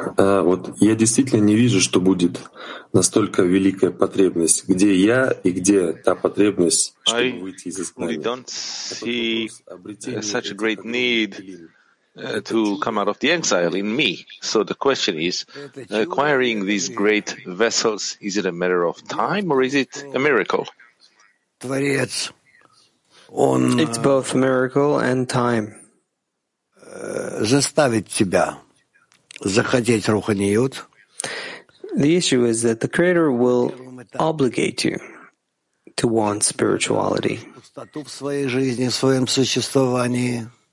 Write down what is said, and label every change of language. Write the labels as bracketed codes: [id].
[ru] Вот я действительно не вижу, что будет настолько великая потребность. Где я и где та потребность, чтобы выйти из изгнания? [en] We don't see such a great need to come out of the exile in me. So the question is, acquiring these great vessels, is it a matter of time or is it a miracle? [ru] Творец. [en] It's both miracle and time. [ru] Заставить тебя захотеть руханиют. [en] The issue is that the Creator will obligate you to want spirituality. [ru] Пустоту в своей жизни, в своем существовании.